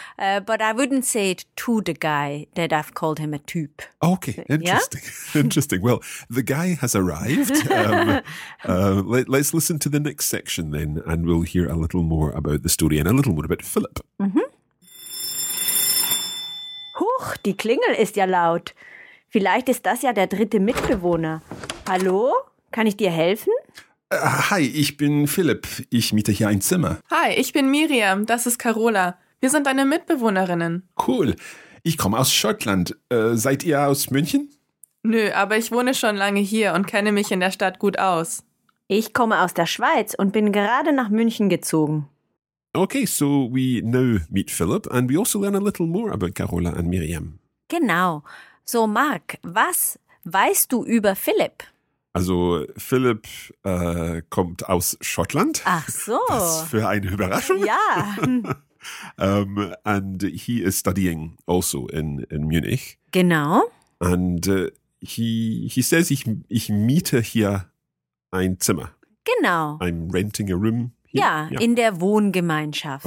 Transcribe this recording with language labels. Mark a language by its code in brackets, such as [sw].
[en] But I wouldn't say it to the guy that I've called him a Typ. Okay. Interesting. Yeah? Interesting. Well, the guy has arrived. let's listen to the next section then, and we'll hear a little more about the story and a little more about Philip. Mm-hmm. [de] Huch, die Klingel ist ja laut. Vielleicht ist das ja der dritte Mitbewohner. Hallo? Kann ich dir helfen? Hi, ich bin Philipp. Ich miete hier ein Zimmer. Hi, ich bin Miriam. Das ist Carola. Wir sind deine Mitbewohnerinnen. Cool. Ich komme aus Schottland. Seid ihr aus München? Nö, aber ich wohne schon lange hier und kenne mich in der Stadt gut aus. Ich komme aus der Schweiz und bin gerade nach München gezogen. [en] Okay, so we now meet Philipp and we also learn a little more about Carola and Miriam. [de] Genau. So, Mark, was weißt du über Philipp? Also Philipp kommt aus Schottland. Ach so. Was für eine Überraschung. Ja. [en] And he is studying also in Munich. [de] Genau. [en] And he says, [de] ich miete hier ein Zimmer. Genau. [en] I'm renting a room here. [de] Ja, in der Wohngemeinschaft.